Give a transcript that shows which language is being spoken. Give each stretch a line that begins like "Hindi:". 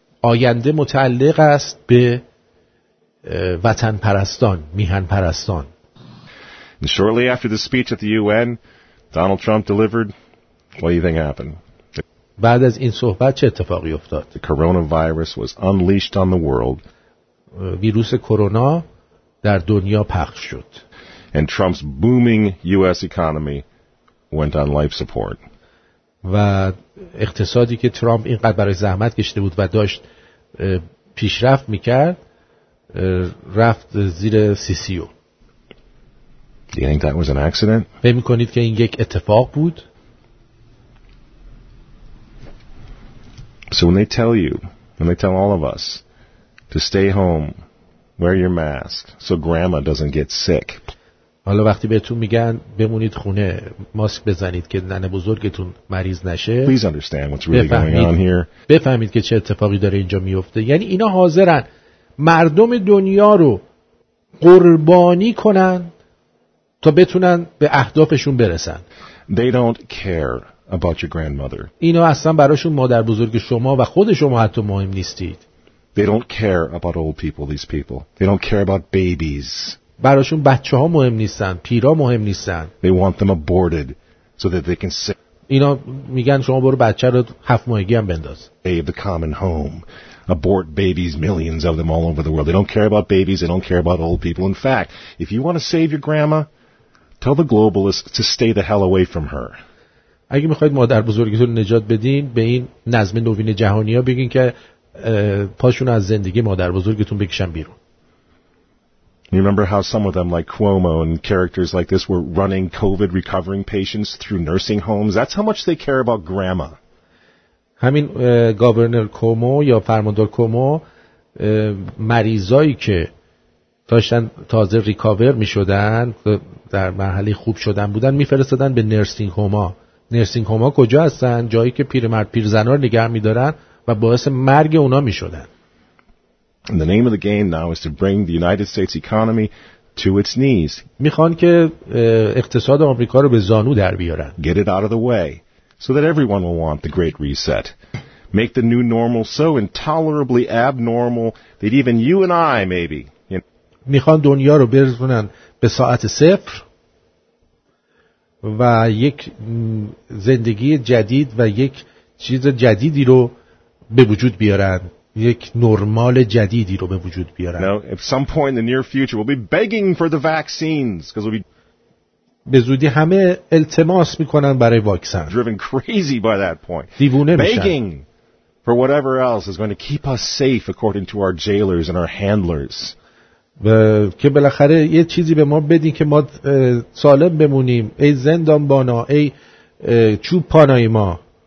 Persian: آینده متعلق است به وطن پرستان، میهن پرستان.
English: And shortly after the speech at the UN, Donald Trump delivered. What do you think happened?
Persian: بعد از این صحبت چه اتفاقی افتاد؟
English: The coronavirus was unleashed on the world.
Persian: ویروس کرونا در دنیا پخش شد.
English: And Trump's booming U.S. economy went on life support.
Persian: و اقتصادی که ترامپ اینقدر برای زحمت کشیده بود و داشت پیشرفت میکرد رفت زیر CCO.
English: Do you think that was an accident?
Persian: فکر می‌کنید که این یک اتفاق بود؟
English: So when they tell you, when they tell all of us to stay home, wear your mask so grandma doesn't get sick.
Persian: حالا وقتی بهتون میگن بمونید خونه، ماسک بزنید که ننه بزرگتون مریض نشه.
English: Please understand what's really going on here.
Persian: بفهمید که چه اتفاقی داره اینجا میفته. یعنی اینا حاضرن مردم دنیا رو قربانی کنن تا بتونن به اهدافشون برسن.
English: They don't care about your grandmother.
Persian: اینا اصلا براشون مادر بزرگ شما و خود شما حتی مهم نیستید.
English: They don't care about old people, these people. They don't care about babies.
Persian: براشون بچه ها مهم نیستن، پیرا مهم نیستن.
English: They want them aborted so that they can save.
Persian: اینا میگن شما برو بچه رو هفت ماهگی هم بنداز.
English: Save the common home. Abort babies, millions of them all over the world. They don't care about babies, they don't care about old people. In fact, if you want to save your grandma, tell the globalists to stay the hell away from her.
Persian: اگه میخواید مادر بزرگتون نجات بدین، به این نظم نوین جهانی ها بگین که پاشون از زندگی مادر بزرگتون بکشن بیرون.
English: You remember how some of them, like Cuomo and characters like this, were running COVID recovering patients through nursing homes? That's how much they care about grandma.
Persian: همین گاورنر کومو یا فرماندار کومو مریضایی که داشتن تازه ریکاور می‌شدن، در مرحله خوب شدن بودن، می‌فرستادن به نرسینگ هوما. نرسینگ هوما کجا هستن؟ جایی که پیرمرد پیرزنا رو نگه می‌دارن و باعث مرگ اونا می‌شدن.
English: And the name of the game now is to bring the United States economy to its knees.
Persian: میخوان که اقتصاد آمریکا رو به زانو در بیارن.
English: Get it out of the way so that everyone will want the great reset. Make the new normal so intolerably abnormal that even you and I maybe.
Persian: میخوان دنیا رو برسونن به ساعت صفر و یک زندگی جدید و یک چیز جدیدی رو به وجود بیارن. یک نرمال جدیدی رو به وجود بیارن.
English: No, at some point in the near future we'll be begging for the vaccines because we'll
Persian: به زودی همه التماس میکنن برای واکسن.
English: Driven crazy by that point.
Persian: دیوونه میشن.
English: Begging for whatever else is going to keep us safe according to our jailers and our handlers.
Persian: که بالاخره یه چیزی به ما بدین که ما سالم بمونیم. ای زندانبانا، ای چوپانای ما.